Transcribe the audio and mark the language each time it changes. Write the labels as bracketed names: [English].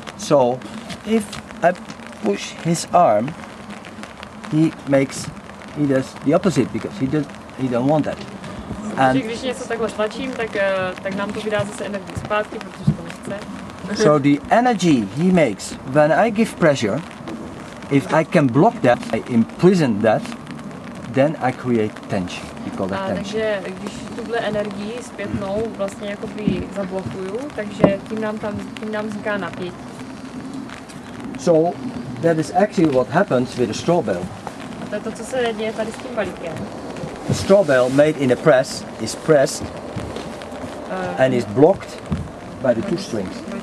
[English] So, if I push his arm, he does the opposite because he don't want that. [Czech] And když něco takhle tlačím, tak nám to vydá zase energii zpátky, protože to nechce. [English] So the energy he makes when I give pressure, if I can block that, I imprison that, then I create tension. We call that tension. [Czech] Takže když tuhle energii zpětnou vlastně jakoby zablokuju, takže tím nám vzniká napětí. [English] So that is actually what happens with a straw bale. [Czech] To je to, co se děje tady s tím balíkem. [English] A straw bale made in a press is pressed and is blocked by the two strings.